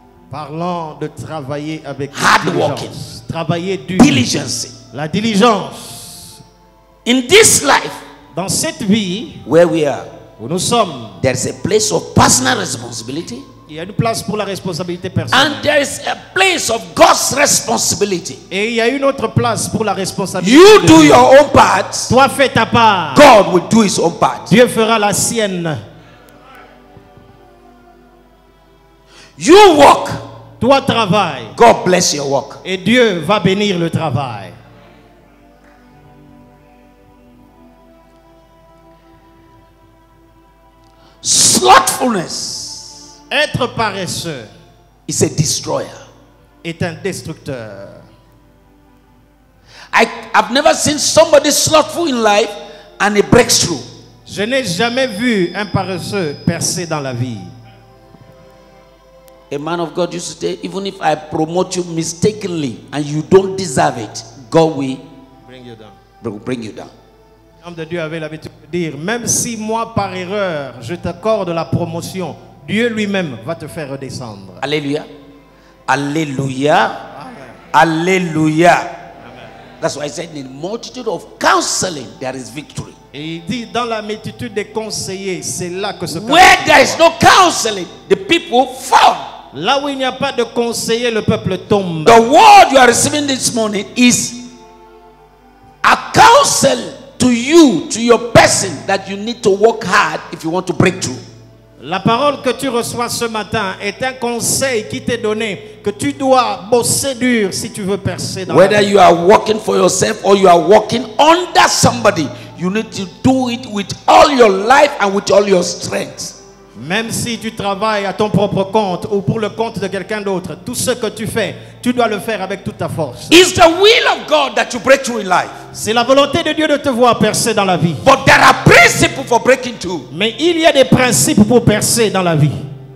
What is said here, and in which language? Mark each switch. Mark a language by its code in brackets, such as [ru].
[fr] Parlant de travailler avec [en] hard [fr] diligence. [en] Working. [fr] Travailler dur. [en] Diligence. [fr] La diligence. [en] In this life, [fr] dans cette vie, [en] where we are, [fr] où nous sommes, [en] there's a place of personal responsibility. [fr] Il y a une place pour la responsabilité personnelle. [en] And there is a place of God's responsibility. [fr] Et il y a une autre place pour la responsabilité. [en] You do your own part. [fr] Toi fais ta part. [en] God will do his own part. [fr] Dieu fera la sienne. [en] You work. [fr] Toi travaille. [en] God bless your work. [fr] Et Dieu va bénir le travail. [en] Slothfulness. [fr] Être paresseux [en] is a destroyer. [fr] Est un destructeur. [en] I've never seen somebody slothful in life and a breakthrough. [fr] Je n'ai jamais vu un paresseux percer dans la vie. [en] A man of God used to say, even if I promote you mistakenly and you don't deserve it, God will bring you down. Bring you down. [fr] L'homme de Dieu avait l'habitude de dire, même si moi par erreur je t'accorde la promotion, Dieu lui-même va te faire redescendre. Alléluia. Alléluia. Alléluia. [en] That's why I said, in the multitude of counseling, there is victory. [fr] Et il dit, dans la multitude des conseillers, c'est là que se. [en] Where there is no counseling, the people fall. [fr] Là où il n'y a pas de conseiller, le peuple tombe. [en] The word you are receiving this morning is a counsel to you, to your person, that you need to work hard if you want to break through. [fr] La parole que tu reçois ce matin est un conseil qui t'est donné que tu dois bosser dur si tu veux percer dans. [en] Whether you are working for yourself or you are working under somebody, you need to do it with all your life and with all your strength. [fr] Même si tu travailles à ton propre compte ou pour le compte de quelqu'un d'autre, tout ce que tu fais, tu dois le faire avec toute ta force. [en] It's the will of God that you break through in life. [fr] C'est la volonté de Dieu de te voir percer dans la vie. [en] But there are principles for breaking through. [fr] Mais il y a des principes pour percer dans la vie.